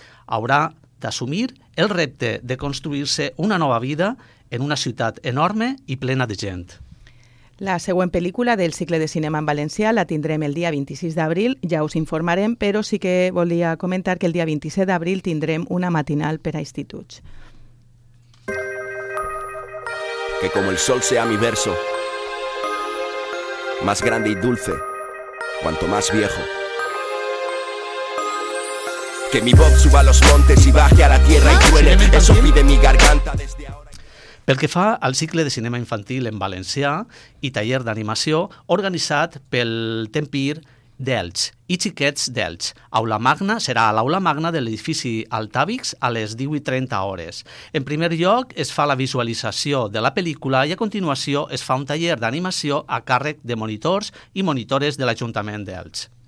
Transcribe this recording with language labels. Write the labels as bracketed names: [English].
[Catalan] Haurà d'assumir el repte de construir-se una nova vida en una ciutat enorme i plena de gent. La següent pel·lícula del cicle de cinema en valencià la tindrem el dia 26 d'abril, ja us informarem, però sí que volia comentar que el dia 27 d'abril tindrem una matinal per a instituts. [Spanish] Que como el sol sea mi verso, más grande y dulce, cuanto más viejo. Que mi voz suba a los montes y baje a la tierra y truene, eso pide mi garganta desde ahora. [Catalan] Pel que fa al cicle de cinema infantil en valencià i taller d'animació organitzat pel Tempir d'Elx i Xiquets d'Elx. Aula Magna serà a l'aula magna de l'edifici Altàvix a les 18:30 hores. En primer lloc es fa la visualització de la pel·lícula i a continuació es fa un taller d'animació a càrrec de monitors i monitores de l'Ajuntament d'Elx.